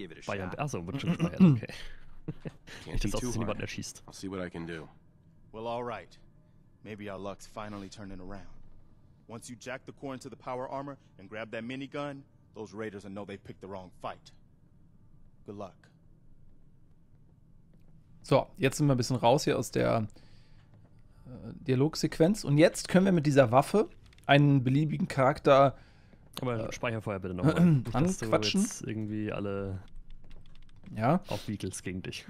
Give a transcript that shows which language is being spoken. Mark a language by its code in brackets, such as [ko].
[de] Bayern, also, wird schon gespeichert, okay. Nicht, dass niemanden erschießt. [en] I'll see what I can do. Well, all right. Maybe our luck's finally turning around. Once you jack the core into the power armor and grab that minigun, those raiders will know they picked the wrong fight. Good luck. [de] So, jetzt sind wir ein bisschen raus hier aus der Dialogsequenz. Und jetzt können wir mit dieser Waffe einen beliebigen Charakter. Aber speicher vorher bitte nochmal. Anquatschen. Jetzt irgendwie alle. Ja. Auf Beatles gegen dich.